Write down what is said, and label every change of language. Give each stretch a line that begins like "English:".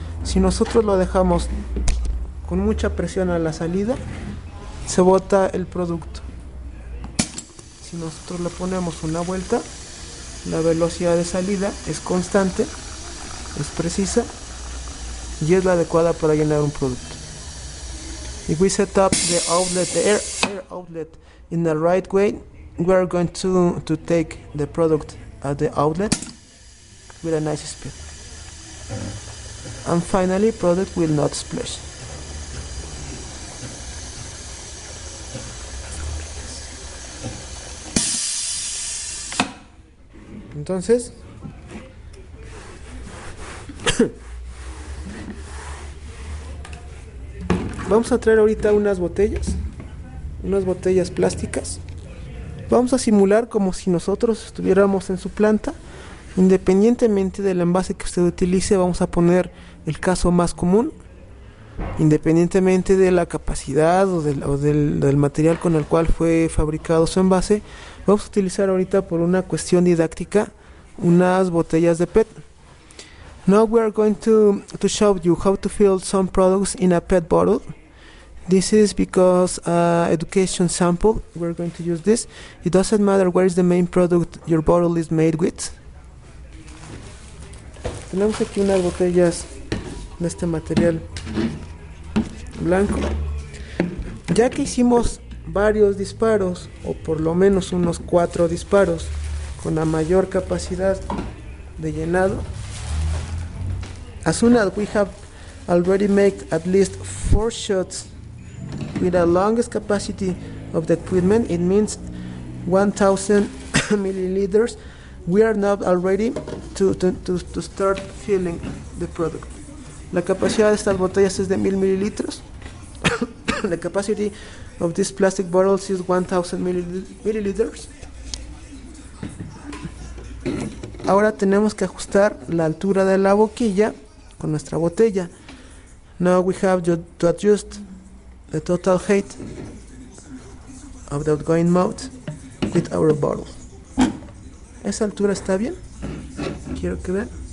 Spanish: Si nosotros lo dejamos con mucha presión a la salida, se bota el producto. Si nosotros le ponemos una vuelta, la velocidad de salida es constante, es precisa y es la adecuada para llenar un producto.
English: If we set up the outlet, the air outlet in the right way, we are going to take the product at the outlet with a nice speed. And finally, product will not splash.
Spanish: Entonces, vamos a traer ahorita unas botellas plásticas. Vamos a simular como si nosotros estuviéramos en su planta. Independientemente del envase que usted utilice, vamos a poner el caso más común. Independientemente de la capacidad o del material con el cual fue fabricado su envase, vamos a utilizar ahorita, por una cuestión didáctica, unas botellas de PET.
English: Now we are going to show you how to fill some products in a PET bottle. This is because education sample, we're going to use this. It doesn't matter where is the main product your bottle is made with.
Spanish: Tenemos aquí unas botellas de este material blanco. Ya que hicimos varios disparos, o por lo menos unos 4 disparos, con la mayor capacidad de llenado,
English: as soon as we have already made at least 4 shots with the longest capacity of the equipment, it means 1000 milliliters, we are now already to start filling the product.
Spanish: La capacidad de estas botellas es de 1000 mililitros.
English: The capacity of these plastic bottles is 1000 milliliters.
Spanish: Ahora tenemos que ajustar la altura de la boquilla con nuestra botella.
English: Now we have to adjust the total height of the outgoing mouth with our bottle.
Spanish: ¿Esa altura está bien? Quiero que vean.